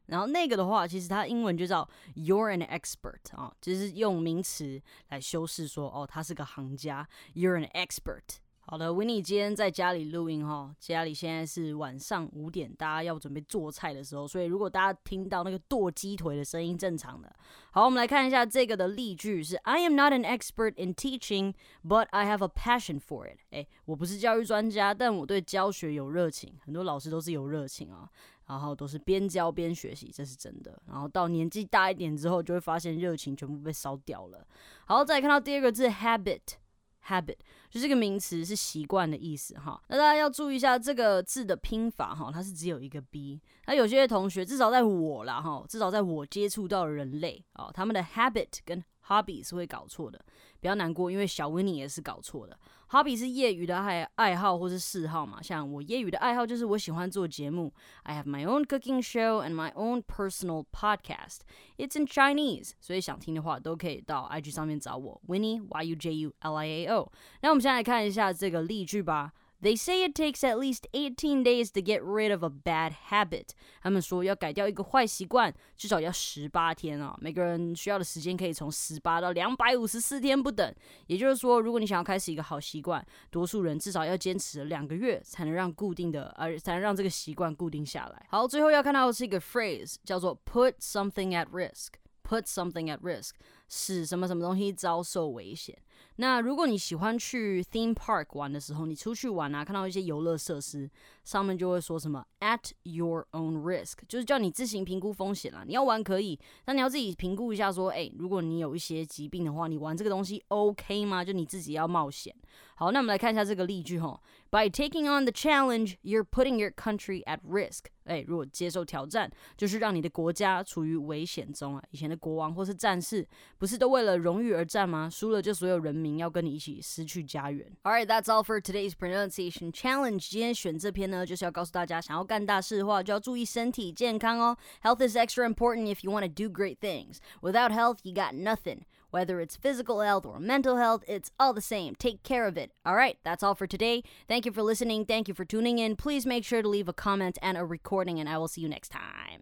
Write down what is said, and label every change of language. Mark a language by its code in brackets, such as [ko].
[zh] 然后那个的话，其实它英文就叫 [en] You're an expert [zh] 啊、哦，就是用名词来修饰说哦，他是个行家 ，You're an expert。好的 ，Winnie 今天在家里录音哈，家里现在是晚上五点，大家要准备做菜的时候，所以如果大家听到那个剁鸡腿的声音，正常的。好，我们来看一下这个的例句是 ： [en] I am not an expert in teaching, but I have a passion for it。 [zh] 哎，我不是教育专家，但我对教学有热情。很多老师都是有热情啊。然后都是边教边学习，这是真的。然后到年纪大一点之后，就会发现热情全部被烧掉了。好，再来看到第二个字 habit。Habit 就是个名词，是习惯的意思哈。那大家要注意一下这个字的拼法哈，它是只有一个 b。那有些同学，至少在我啦哈，至少在我接触到的人类啊，他们的 habit 跟 hobby 是会搞错的。不要难过，因为小 Winnie 也是搞错的。Hobby 是业余的爱好或是嗜好嘛，像我业余的爱好就是我喜欢做节目。 [en] I have my own cooking show and my own personal podcast. It's in Chinese. [zh] 所以想听的话都可以到 IG 上面找我 ，Winnie Yujulio。那我们先来看一下这个例句吧。 [en] They say it takes at least 18 days to get rid of a bad habit. [zh] 他们说要改掉一个坏习惯，至少要18天啊。每个人需要的时间可以从18到254天不等。也就是说，如果你想要开始一个好习惯，多数人至少要坚持两个月才能让固定的，才能让这个习惯固定下来。好，最后要看到的是一个 phrase， 叫做 [en] put something at risk。 Put something at risk， [zh] 使什么什么东西遭受危险。那如果你喜欢去 theme park 玩的时候，你出去玩啊，看到一些游乐设施，上面就会说什么 [en] at your own risk， [zh] 就是叫你自行评估风险啦。你要玩可以，但你要自己评估一下说，欸，如果你有一些疾病的话，你玩这个东西 OK 吗？就你自己要冒险。好，那我们来看一下这个例句齁。 [en] By taking on the challenge, you're putting your country at risk. [zh] 欸，如果接受挑战，就是让你的国家处于危险中啊。以前的国王或是战士，不是都为了荣誉而战吗？输了就所有人民要跟你一起失去家园。 [en] All right, that's all for today's pronunciation challenge. [zh] 今天选这篇呢，就是要告诉大家，想要干大事的话，就要注意身体健康哦。 [en] Health is extra important if you want to do great things. Without health, you got nothing. Whether it's physical health or mental health, it's all the same. Take care of it. All right, that's all for today. Thank you for listening. Thank you for tuning in. Please make sure to leave a comment and a recording, and I will see you next time.